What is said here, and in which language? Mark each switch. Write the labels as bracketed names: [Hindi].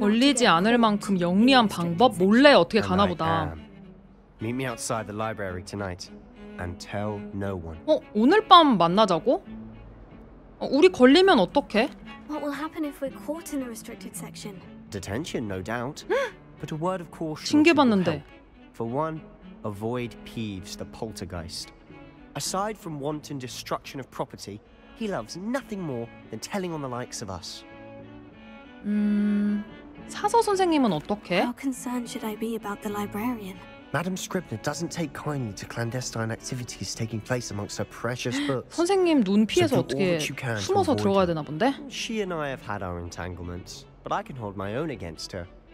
[Korean] 올리지 않을 만큼 영리한 방법 몰래 어떻게 가나 보다. [English] Meet me outside the library tonight and tell no one. [Korean] 오늘 밤 만나자고? 우리 걸리면 어떡해? [English] What will happen if we're caught in a restricted section? Detention, no doubt. But a word of caution. [Korean] 징계받는데. [English] For one, avoid Peeves, the poltergeist. Aside from wanton destruction of property, he loves nothing more than telling on the likes of us. [Korean] 사서 선생님은 어떻게? [English] How concerned should I be about the librarian? Madam Scribner doesn't take kindly to clandestine activities taking place amongst her precious books. [Korean] 선생님 눈 피해서 어떻게 숨어서 들어가야 되나 본데? [English] She and I have had our entanglements, but I can hold my own against her.